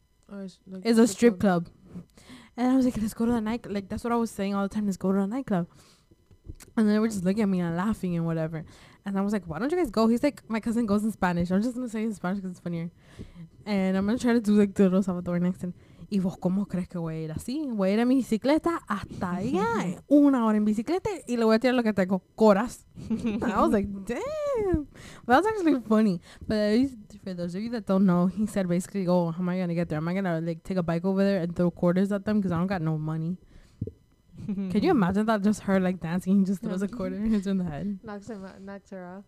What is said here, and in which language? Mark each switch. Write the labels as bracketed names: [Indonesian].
[English] Like it's a strip club. And I was like, let's go to the nightclub. Like, that's what I was saying all the time, let's go to the nightclub. And then they were just looking at me and laughing and whatever. And I was like, why don't you guys go? He's like, my cousin goes in Spanish. I'm just going to say in Spanish because it's funnier. And I'm going to try to do, like, the Los Salvador next. [Spanish] Y vos, ¿cómo crees que voy a ir así? Voy a ir a mi bicicleta hasta allá. Una hora en bicicleta y le voy a tirar lo que tengo. [English] Coras. I was like, damn. That was actually funny. But at least for those of you that don't know, he said basically, oh, how am I going to get there? Am I going to like take a bike over there and throw quarters at them? Because I don't got no money. Can you imagine that? Just her like dancing. He just throws a quarter in the head. Knocks her off.